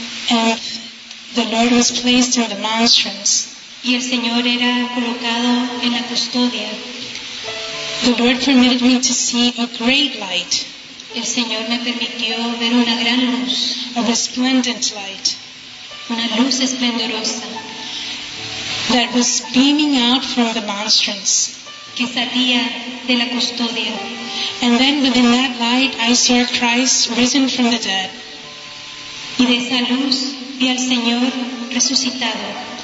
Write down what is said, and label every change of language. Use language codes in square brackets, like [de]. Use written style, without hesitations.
[en] and the Lord was placed in the monstrance, [es] y el Señor era colocado en la custodia, [en] the Lord permitted me to see a great light. [es] El Señor me permitió ver una gran luz, [en] a resplendent light, [es] una luz esplendorosa, [en] that was beaming out from the monstrance, [es] que salía de la custodia. [en] And then within that light I saw Christ risen from the dead. [es] Y de esa luz vi al Señor resucitado,